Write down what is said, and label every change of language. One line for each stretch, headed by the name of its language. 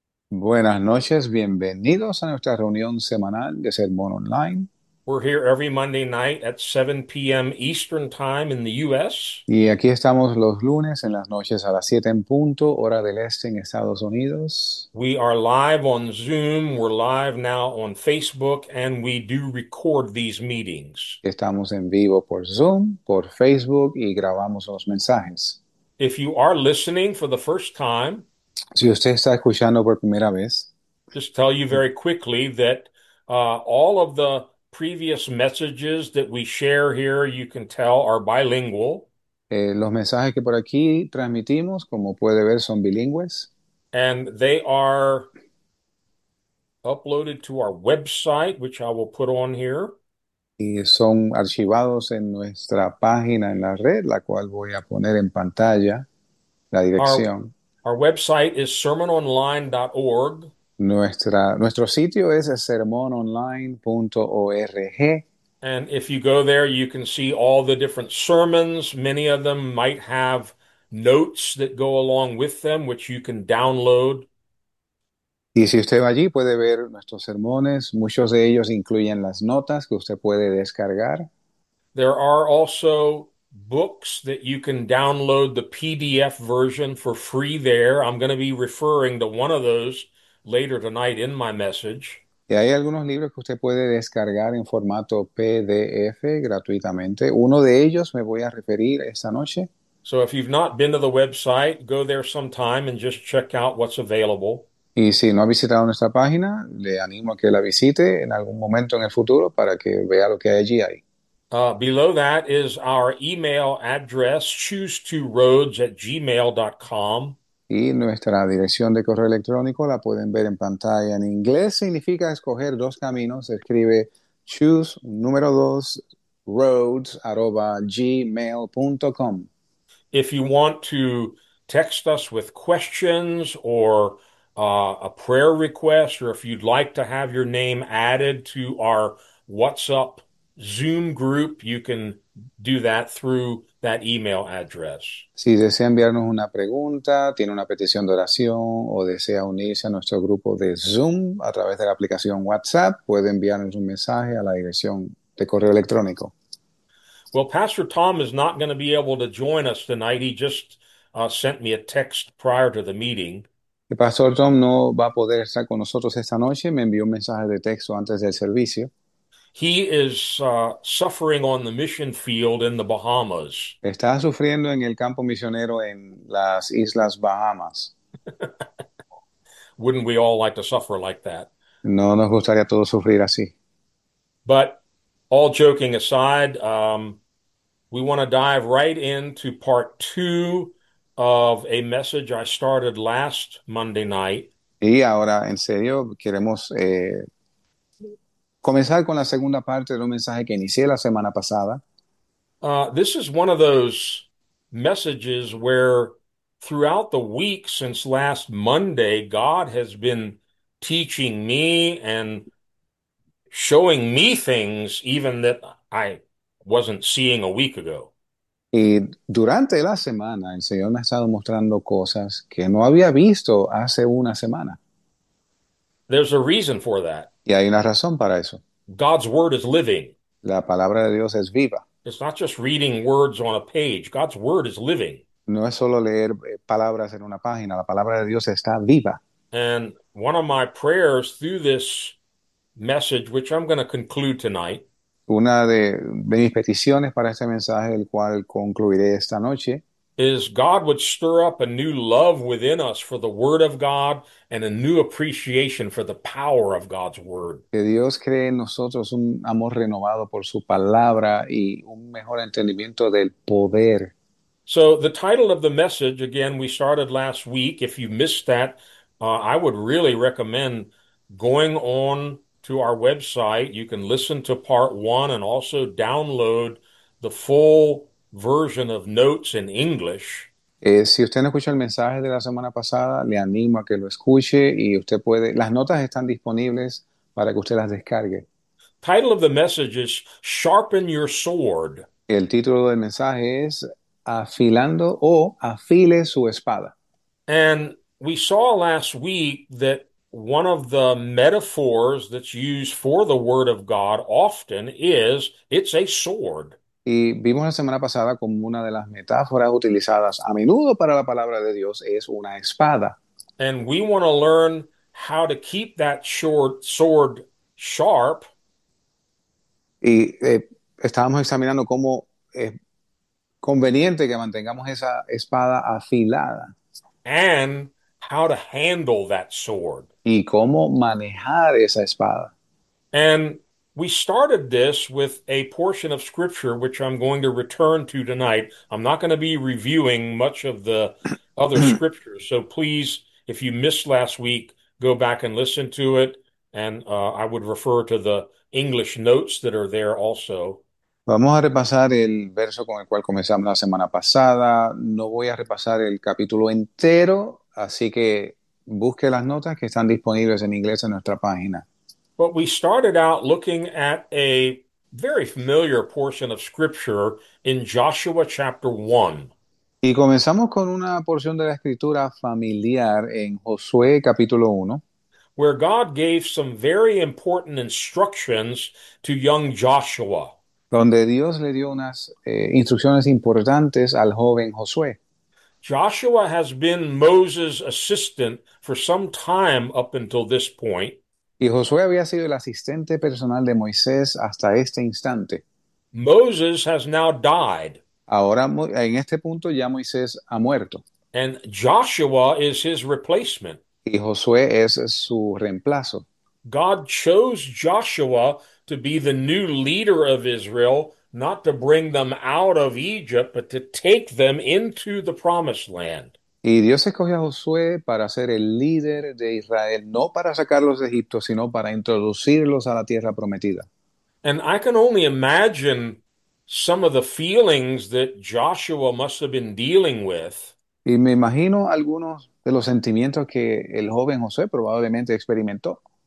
Spanish: Buenas noches, bienvenidos a nuestra reunión semanal de Sermón Online.
English: We're here every Monday night at 7 p.m. Eastern Time in the U.S.
Spanish: Y aquí estamos los lunes en las noches a las 7 en punto, hora del este en Estados Unidos.
English: We are live on Zoom, we're live now on Facebook, and we do record these meetings.
Spanish: Estamos en vivo por Zoom, por Facebook y grabamos los mensajes.
English: If you are listening for the first time,
Spanish: Si usted está escuchando por primera vez,
English: just tell you very quickly that all of the previous messages that we share here, you can tell, are bilingual.
Spanish: los mensajes que por aquí transmitimos, como puede ver, son bilingües.
English: And they are uploaded to our website, which I will put on here.
Spanish: Y son archivados en nuestra página en la red, la cual voy a poner en pantalla la
English: Our
Spanish: dirección.
English: website is sermononline.org.
Spanish: Nuestro sitio es sermononline.org.
English: And if you go there, you can see all the different sermons. Many of them might have notes that go along with them, which you can download.
Spanish: Y si usted va allí, puede ver nuestros sermones. Muchos de ellos incluyen las notas que usted puede descargar.
English: There are also books that you can download the PDF version for free there. I'm going to be referring to one of those later tonight in my message.
Spanish: Y hay algunos libros que usted puede descargar en formato PDF gratuitamente. Uno de ellos me voy a referir esta noche.
English: So if you've not been to the website, go there sometime and just check out what's available.
Spanish: Y si no ha visitado nuestra página, le animo a que la visite en algún momento en el futuro para que vea lo que allí hay.
English: Below that is our email address, choose2roads@gmail.com.
Spanish: Y nuestra dirección de correo electrónico la pueden ver en pantalla en inglés. Significa escoger dos caminos. Se escribe choose número dos roads arroba gmail.com.
English: If you want to text us with questions or a prayer request, or if you'd like to have your name added to our WhatsApp Zoom group, you can do that through that email address.
Spanish: Si desea enviarnos una pregunta, tiene una petición de oración o desea unirse a nuestro grupo de Zoom a través de la aplicación WhatsApp, puede enviarnos un mensaje a la dirección de correo electrónico.
English: Well, Pastor Tom is not going to be able to join us tonight. He just sent me a text prior to the meeting.
Spanish: El pastor Tom no va a poder estar con nosotros esta noche, me envió un mensaje de texto antes del servicio.
English: He is suffering on the mission field in the Bahamas.
Spanish: Está sufriendo en el campo misionero en las Islas Bahamas.
English: Wouldn't we all like to suffer like that?
Spanish: No nos gustaría todos sufrir así.
English: But all joking aside, we want to dive right into part two of a message I started last Monday night.
Spanish: Y ahora, en serio, queremos comenzar con la segunda parte de un mensaje que inicié la semana pasada.
English: This is one of those messages where throughout the week since last Monday, God has been teaching me and showing me things even that I wasn't seeing a week ago.
Spanish: Y durante la semana el Señor me ha estado mostrando cosas que no había visto hace una semana.
English: There's a reason for that.
Spanish: Y hay una razón para eso.
English: God's word is living.
Spanish: La palabra de Dios es viva.
English: It's not just reading words on a page. God's word is living.
Spanish: No es solo leer palabras en una página, la palabra de Dios está viva.
English: And one of my prayers through this message, which I'm going to conclude tonight,
Spanish: Una de mis peticiones para este mensaje, el cual concluiré esta noche,
English: is God would stir up a new love within us for the word of God and a new appreciation for the power of God's word.
Spanish: que Dios cree en nosotros un amor renovado por su palabra y un mejor entendimiento del poder.
English: So the title of the message, again, we started last week. If you missed that, I would really recommend going on to our website. You can listen to part one and also download the full version of notes in English.
Spanish: Si usted no escuchó el mensaje de la semana pasada, le animo a que lo escuche y usted puede. Las notas están disponibles para que usted las descargue.
English: Title of the message is Sharpen Your Sword.
Spanish: El título del mensaje es Afilando o Afile su espada.
English: And we saw last week that one of the metaphors that's used for the Word of God often is it's a sword.
Spanish: Y vimos la semana pasada como una de las metáforas utilizadas a menudo para la palabra de Dios es una espada.
English: And we want to learn how to keep that short sword sharp.
Spanish: Y estábamos examinando cómo es conveniente que mantengamos esa espada afilada.
English: And how to handle that sword.
Spanish: Y cómo manejar esa espada.
English: And we started this with a portion of scripture which I'm going to return to tonight. I'm not going to be reviewing much of the other scriptures, so please, if you missed last week, go back and listen to it, and I would refer to the English notes that are there also.
Spanish: Vamos a repasar el verso con el cual comenzamos la semana pasada. No voy a repasar el capítulo entero, así que busque las notas que están disponibles en inglés en nuestra página.
English: But we started out looking at a very familiar portion of scripture in Joshua chapter 1.
Spanish: Y comenzamos con una porción de la escritura familiar en Josué capítulo 1.
English: Where God gave some very important instructions to young Joshua.
Spanish: Donde Dios le dio unas instrucciones importantes al joven Josué.
English: Joshua has been Moses' assistant for some time up until this point.
Spanish: Y Josué había sido el asistente personal de Moisés hasta este instante.
English: Moses has now died.
Spanish: Ahora, en este punto, ya Moisés ha muerto.
English: And Joshua is his replacement.
Spanish: Y Josué es su reemplazo.
English: God chose Joshua to be the new leader of Israel, not to bring them out of Egypt, but to take them into the promised land.
Spanish: Y Dios escogió a Josué para ser el líder de Israel, no para sacarlos de Egipto, sino para introducirlos a la tierra prometida.
English: And I can only imagine some of the feelings that Joshua must have been dealing with.
Spanish: Y me imagino algunos de los sentimientos que el joven Josué probablemente experimentó.